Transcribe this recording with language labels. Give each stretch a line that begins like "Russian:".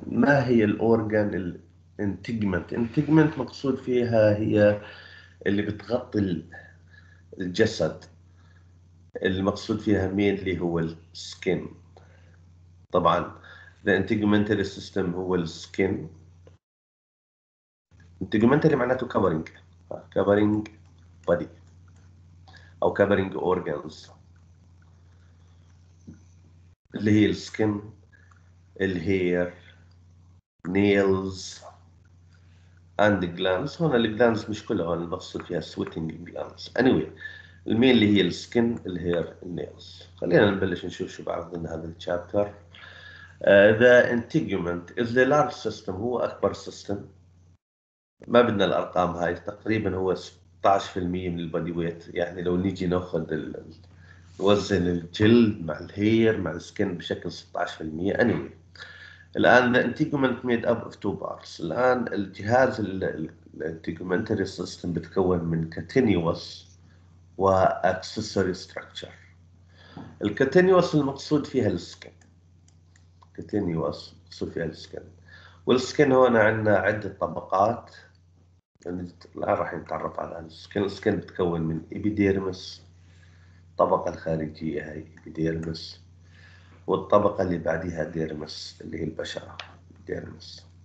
Arabic: ما هي الأورجان الانتجمنت؟ انتجمنت مقصود فيها هي اللي بتغطي الجسد، المقصود فيها مين؟ اللي هو السكين.
English: طبعا the integumentary system هو السكين. integumentary معناته covering، covering body او covering organs،
Arabic: اللي هي
English: السكين، الهير، nails and glands. هنا الجلانس
Arabic: مش كلها،
English: المقصود فيها sweating glands. anyway المين اللي هي السكن، الهير، النيلز.
Arabic: خلينا نبلش نشوف شو بعرض لنا هذا الشابتر.
English: The integument is the large system،
Arabic: هو أكبر
English: system.
Arabic: ما بدنا الأرقام هاي، تقريبا هو 16% من البادي ويت. يعني لو نيجي ناخذ الوزن الجلد مع الهير مع السكن بشكل 16%.
English: anyway الآن the integument made up of two parts.
Arabic: الآن الجهاز الانتجومنتري سيستم بتكون من continuous و accessory structure. ال continuous المقصود فيها ال skin، continuous المقصود فيها ال skin. وال skin هنا عندنا عدة طبقات، يعني الآن راح نتعرف على ال skin. ال skin تتكون من epidermis، الطبقة الخارجية هاي epidermis، والطبقة اللي بعدها dermis اللي هي البشرة dermis.